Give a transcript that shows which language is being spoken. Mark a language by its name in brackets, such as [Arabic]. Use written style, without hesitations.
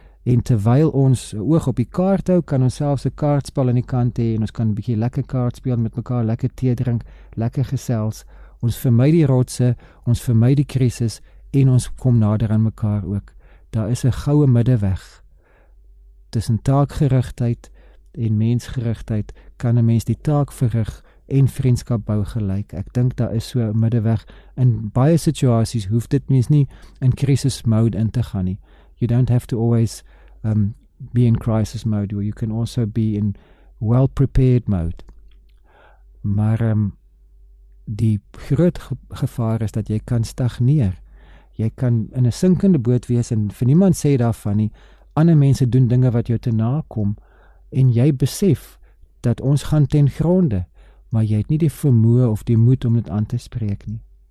[Afrikaans] en terwyl ons oog op die kaart hou, kan ons selfs 'n kaartspel in die kant hê, en ons kan 'n bietjie lekker kaart speel met mekaar, lekker tee drink, lekker gesels, ons vermy die rotse, ons vermy die krisis, en ons kom nader aan mekaar ook, daar is 'n goue middeweg, tussen taakgerigtheid, en mensgerigtheid, kan 'n mens die taak verrig en vriendskap bou gelyk. Ek dink daar is so 'n middeweg. In baie situasies hoef dit mens nie in crisis mode in te gaan nie. [English] You don't have to always be in crisis mode, or you can also be in well-prepared mode. [Afrikaans] Maar die groot gevaar is dat jy kan stagneer. Jy kan in 'n sinkende boot wees en vir niemand sê daarvan nie. Ander mense doen dinge wat jou te na kom, en jy besef dat ons gaan ten gronde, maar jy het nie die vermoë of die moed om dit aan te spreek nie.